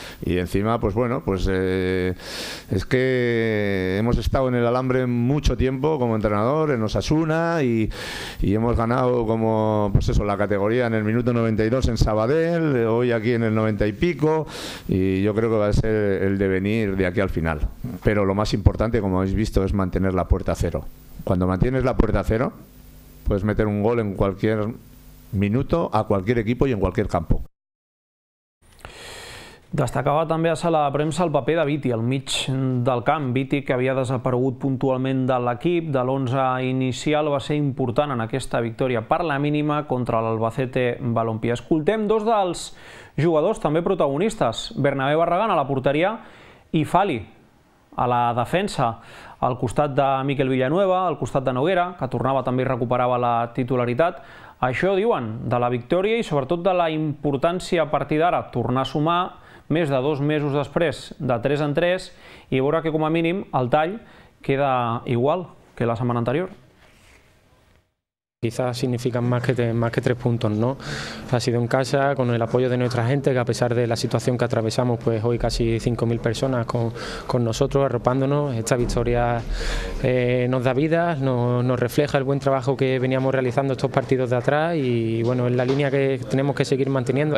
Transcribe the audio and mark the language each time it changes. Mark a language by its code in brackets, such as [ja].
[es] Y encima, pues bueno, pues es que hemos estado en el alambre mucho tiempo como entrenador, en Osasuna, y hemos ganado como, pues eso, la categoría en el minuto 92 en Sabadell, hoy aquí en el 90 y pico, y yo creo que va a ser el devenir de aquí al final. Pero lo más importante, como habéis visto, es mantener la puerta cero. Cuando mantienes la puerta cero, puedes meter un gol en cualquier minuto, a cualquier equipo y en cualquier campo. [ca] Destacava també a sala de premsa el paper de Viti al mig del camp. Viti, que havia desaparegut puntualment de l'equip, de l'11 inicial, va ser important en aquesta victòria per la mínima contra l'Albacete Balompié. Escoltem dos dels jugadors també protagonistes, Bernabé Barragán a la porteria i Fali a la defensa, al costat de Miquel Villanueva, al costat de Noguera, que tornava també i recuperava la titularitat. Això diuen de la victòria i sobretot de la importància a partir d'ara tornar a sumar més de 2 mesos després de 3 en 3 i veure que com a mínim el tall queda igual que la setmana anterior. [es] Quizás significan más que 3 puntos, ¿no? Ha sido en casa, con el apoyo de nuestra gente, que a pesar de la situación que atravesamos, pues hoy casi 5.000 personas con nosotros, arropándonos. Esta victoria nos da vida, nos refleja el buen trabajo que veníamos realizando estos partidos de atrás y, bueno, es la línea que tenemos que seguir manteniendo.